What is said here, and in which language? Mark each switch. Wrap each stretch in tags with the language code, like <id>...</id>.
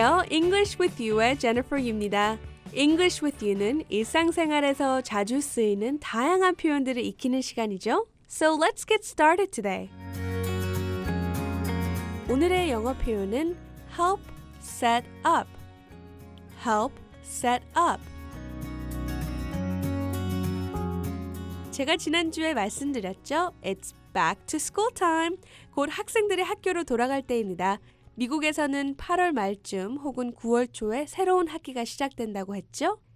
<ko>English with you의 Jennifer입니다. English with you는 일상생활에서 자주 쓰이는 다양한 표현들을 익히는 시간이죠.</ko> <en>So let's get started today.</en> <ko>오늘의 영어 표현은 help set up.</ko> <en>Help set up.</en> <ko>제가 지난주에 말씀드렸죠?</ko> <en>It's back to school time.</en> <ko>곧 학생들이 학교로 돌아갈 때입니다. 미국에서는 8월 말쯤 혹은 9월 초에 새로운 학기가 시작된다고 했죠?</ko>